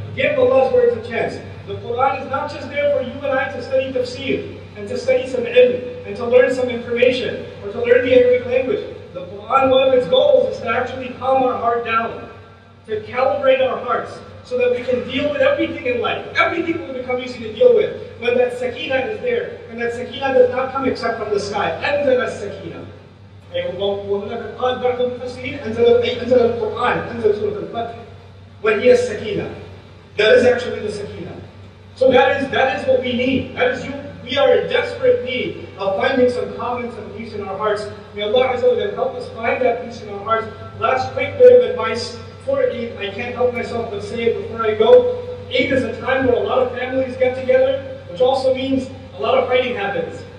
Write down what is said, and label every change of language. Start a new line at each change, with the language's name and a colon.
English: Give Allah's words a chance. The Quran is not just there for you and I to study tafsir and to study some ilm and to learn some information or to learn the Arabic language. The Quran, one of its goals is to actually calm our heart down, to calibrate our hearts, so that we can deal with everything in life, everything will become easy to deal with, when that sakina is there, and that sakina does not come except from the sky.
Arabic: أنزل السكينة. وهناك قال بعض المفسرين أنزل القرآن أنزل سورة الفتح.
English: When he has sakina, that is actually the sakina. So that is what we need. That is you. We are in desperate need of finding some calm and some peace in our hearts. May Allah Azza wa Jalla help us find that peace in our hearts. Last quick bit of advice for Eid. I can't help myself but say it before I go. Eid is a time where a lot of families get together, which also means a lot of fighting happens.